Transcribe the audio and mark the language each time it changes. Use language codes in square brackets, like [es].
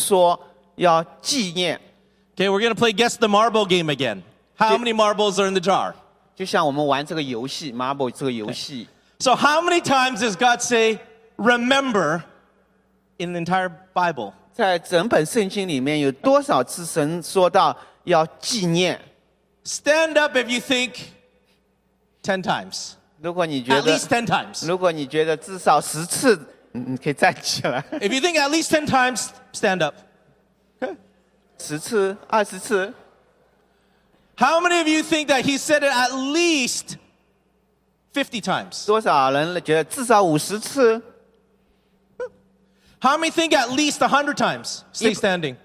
[zh] 我就看有多少次神说要纪念。 [en] Okay, we're going to play guess the marble game again. How many marbles are in the jar? [zh] 就像我们玩这个游戏, marble这个游戏。Okay. [en] So how many times does God say, remember, in the entire Bible? [zh] 在整本圣经里面有多少次神说到要纪念? [en] Stand up if you think 10 times. [zh] 如果你觉得, [en] at least 10 times. [zh] 如果你觉得至少10次, 你可以站起来。 [en] If you think at least 10 times, stand up. [zh] Okay. 10次, 20次。 [en] How many of you think that he said it at least 50 times? [zh] 多少人觉得至少50次? [en] How many think at least 100 times? Stay standing.